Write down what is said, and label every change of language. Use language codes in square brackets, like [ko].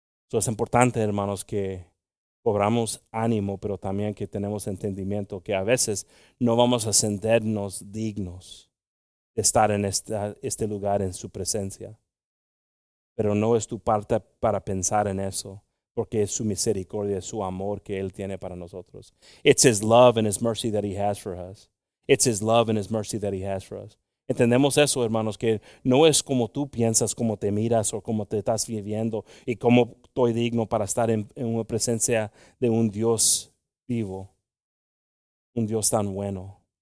[es] Es importante, hermanos, que cobramos ánimo, pero también que tenemos entendimiento que a veces no vamos a sentirnos dignos. Estar en este lugar en su presencia. Pero no es tu parte para pensar en eso. Porque es su misericordia, su amor que él tiene para nosotros. [en] It's his love and his mercy that he has for us. It's his love and his mercy that he has for us. [es] Entendemos eso, hermanos, que no es como tú piensas, como te miras o como te estás viviendo y cómo estoy digno para estar en una presencia de un Dios vivo, un Dios tan bueno.